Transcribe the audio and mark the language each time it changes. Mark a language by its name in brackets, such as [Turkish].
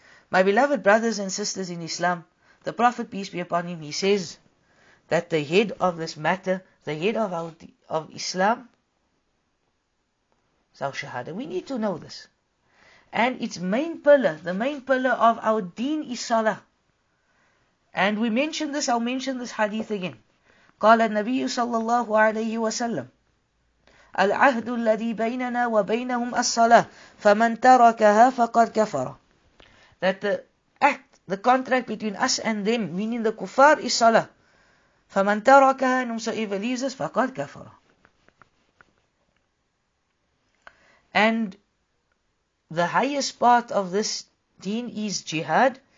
[English] My beloved brothers and sisters in Islam, the Prophet, peace be upon him, he says that the head of this matter, the head of Islam, is our Shahada. We need to know this. And its main pillar, the main pillar of our deen is Salah. And we mentioned this, I'll mention this hadith again. [Arabic] قال النبي صلى الله عليه وسلم العهد الذي بيننا وبينهم الصلاة فمن تركها فقد كفر. [English] That the act, the contract between us and them, meaning the kuffar, is Salah. [Arabic] فَمَنْ تَرَكَهَا نُمْسَئِفَ لِيزَسْ فَقَدْ كَفَرَ. [English] And the highest part of this deen is jihad,